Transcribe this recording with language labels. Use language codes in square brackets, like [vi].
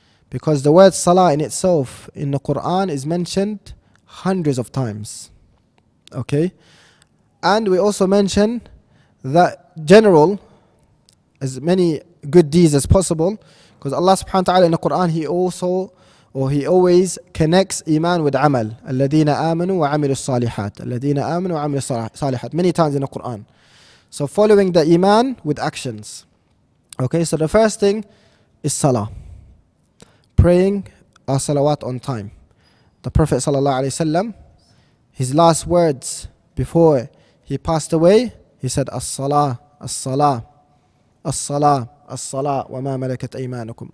[en] Because the word salah in itself in the Quran is mentioned hundreds of times. Okay? And we also mention that general, as many good deeds as possible, because Allah subhanahu wa ta'ala in the Quran, He always connects iman with amal. [ar] الَّذِينَ آمَنُوا وَعَمِلُوا الصَّالِحَاتِ الَّذِينَ آمَنُوا وَعَمِلُوا الصَّالِحَاتِ [en] Many times in the Quran. So following the iman with actions. Okay, so the first thing is salah. Praying our salawat on time. The Prophet sallallahu alayhi wa sallam, his last words before he passed away, he said, [ar] As-salah, as-salah, as-salah, as-salah, wa ma malakat aymanukum.